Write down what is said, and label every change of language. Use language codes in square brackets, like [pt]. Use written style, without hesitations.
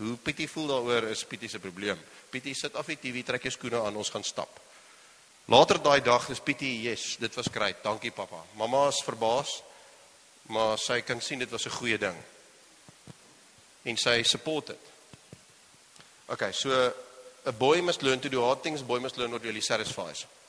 [af] Hoe Pietie voel daaroor is Pietie se probleem. Pietie sit af die TV, trek jou skoene aan, ons gaan stap. Later daai dag is Pietie, yes, dit was great, dankie papa. Mama is verbaas, maar sy kan sien dit was 'n goeie ding. En sy support dit. [en] OK, so a boy must learn to do hard things, a boy must learn what really satisfies.